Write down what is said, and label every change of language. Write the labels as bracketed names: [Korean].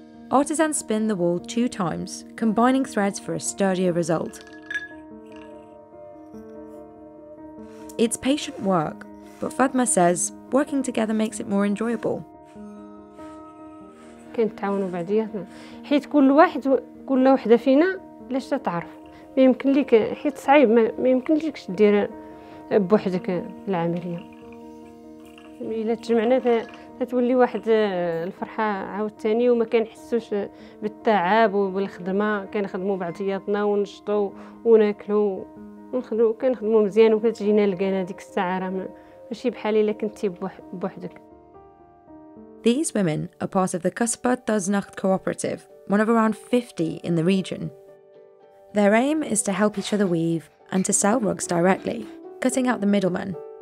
[English] Artisans spin the wool 2 times, combining threads for a sturdier result. It's patient work, but Fatma says working together makes it more enjoyable. [Arabic] كنت تعاونوا بعضياتنا حيت كل واحد كل وحده فينا علاش تعرف ما يمكن ليك حيت صعيب ما يمكن ليكش دير بوحدك العمليه الا تجمعنا تتولي واحد الفرحه عاوتاني وما كنحسوش بالتعب وبالخدمه كنخدموا بعضياتنا ونشطوا وناكلوا ونخدموا كنخدموا مزيان وكتجينا لقينا ديك الساعه راه ماشي بحال الا كنتي بوحدك. [English] These women are part of the Kasba Dasnacht cooperative, one of around 50 in the region. Their aim is to help each other weave and to sell rugs directly, cutting out the middleman.